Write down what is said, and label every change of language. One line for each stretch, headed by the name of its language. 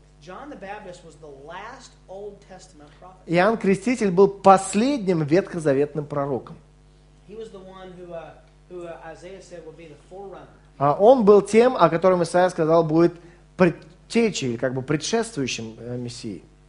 English: John the Baptist was the last Old Testament prophet.
Russian: Иоанн Креститель был последним ветхозаветным пророком.
English: He was the one who Isaiah said would be the forerunner.
Russian: Он был тем, о котором Исаия сказал, будет предтечей, как бы предшествующим Мессии.